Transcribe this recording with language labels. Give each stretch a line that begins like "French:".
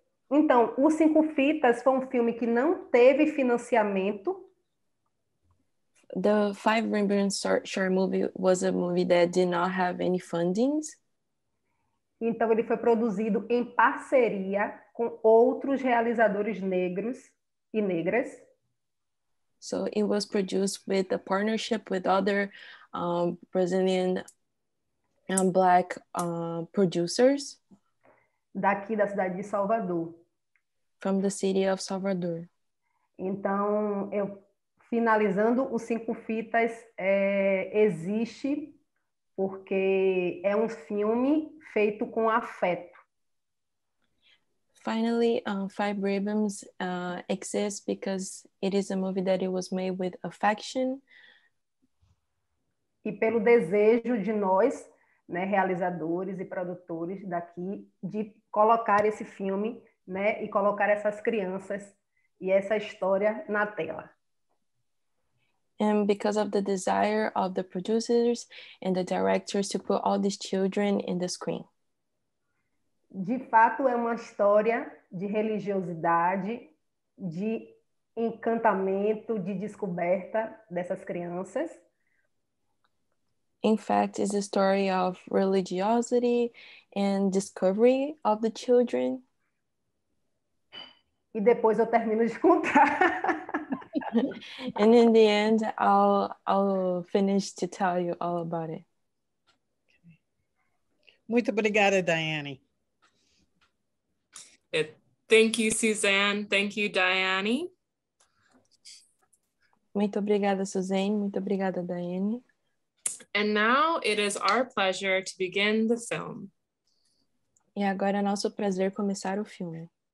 Portuguese: Então, Os Cinco Fitas foi um filme que não teve financiamento.
English: The Five Rembrandt Short Movie was a movie that did not have any fundings.
Portuguese: Então, ele foi produzido em parceria com outros realizadores negros e negras.
English: So, it was produced with a partnership with other Brazilian black producers.
Portuguese: Daqui da cidade de Salvador.
English: From the city of Salvador.
Portuguese: Então, eu finalizando, Os Cinco Fitas existe... Porque é um filme feito com afeto.
English: Finally, Five Rhythms exists because it is a movie that it was made with affection.
Portuguese: E pelo desejo de nós, né, realizadores e produtores daqui, de colocar esse filme, né, e colocar essas crianças e essa história na tela.
English: And because of the desire of the producers and the directors to put all these children in the screen.
Portuguese: De fato, é uma história de religiosidade, de encantamento, de descoberta dessas crianças.
English: In fact, it's a story of religiosity and discovery of the children.
Portuguese: E depois eu termino de contar.
English: And in the end, I'll finish to tell you all about it.
Portuguese: Muito obrigada, Daiane.
English: Thank you, Suzanne. Thank you, Daiane.
Portuguese: Muito obrigada, Suzanne. Muito obrigada, Daiane.
English: And now it is our pleasure to begin the film.
Portuguese: E agora é nosso prazer começar o filme.